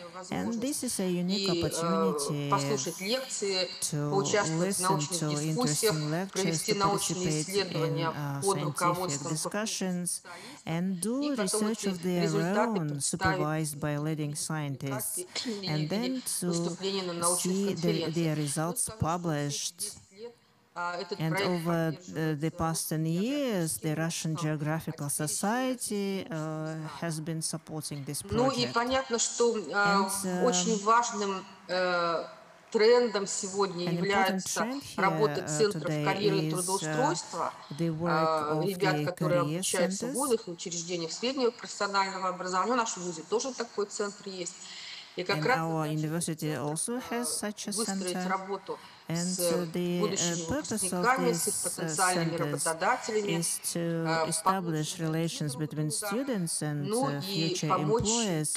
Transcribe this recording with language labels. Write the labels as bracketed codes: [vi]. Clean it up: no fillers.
[en] And this is a unique opportunity to listen to interesting lectures, to participate in scientific discussions, and do research of their own, supervised by leading scientists, and then to see their results published. And over the past 10 years, the Russian Geographical Society has been supporting this project. [ru] Трендом сегодня является работа центров карьеры и трудоустройства ребят, которые обучаются в вузах и учреждениях среднего профессионального образования. В нашем вузе тоже такой центр есть. [en] And our university also has such a center. And the purpose of these centers is to establish relations between students and future employers